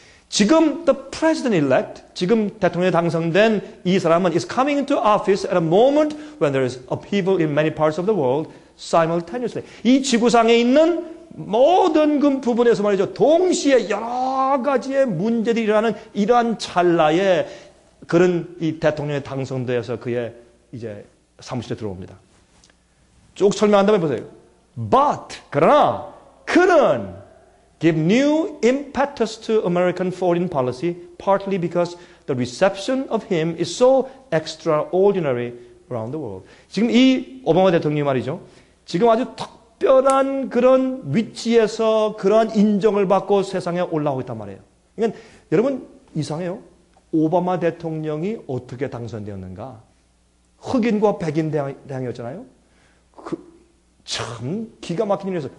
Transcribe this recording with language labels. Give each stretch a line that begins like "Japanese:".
English: 지금 the president elect,
Korean: 지금 대통령에 당선된 이 사람은
English: is coming into office at a moment when there is upheaval in many parts of the world simultaneously.
Korean: 이 지구상에 있는 모든 그 부분에서 말이죠. 동시에 여러 가지의 문제들이 일어나는 이러한 찰나에 그런 이 대통령에 당선되어서 그의 이제 사무실에 들어옵니다. 쭉 설명한다면 보세요.
English: But,
Korean: 그러나, 그는
English: give new impetus to American foreign policy, partly because the reception of him is so extraordinary around the world.
Korean: 지금 이 오바마 대통령이 말이죠. 지금 아주 특별한 그런 위치에서 그런 인정을 받고 세상에 올라오고 있단 말이에요. 그러니까 여러분 이상해요. 오바마 대통령이 어떻게 당선되었는가? 흑인과 백인 대항이었잖아요. 참 기가 막힌 일이었어요.